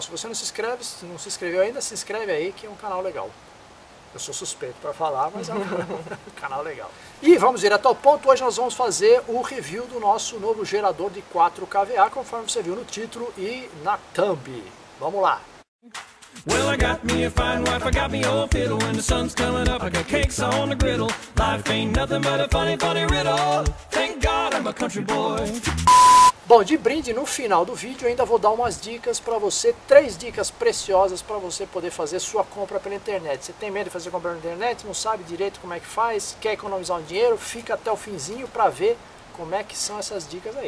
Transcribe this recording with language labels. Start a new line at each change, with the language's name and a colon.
Portuguese: Se você não se inscreve, se não se inscreveu ainda, se inscreve aí que é um canal legal. Eu sou suspeito para falar, mas é um canal legal. E vamos ir até o ponto. Hoje nós vamos fazer o review do nosso novo gerador de 4 KVA, conforme você viu no título e na thumb. Vamos lá!
English: Well, I got me a fine wife, I got me old fiddle. When the sun's coming up, I got cakes on the griddle. Life ain't nothing but a funny, funny riddle. Thank God I'm a country boy.
Portuguese: Bom, de brinde, no final do vídeo, eu ainda vou dar umas dicas para você, 3 dicas preciosas para você poder fazer sua compra pela internet. Você tem medo de fazer compra pela internet, não sabe direito como é que faz, quer economizar um dinheiro, fica até o finzinho para ver como é que são essas dicas aí.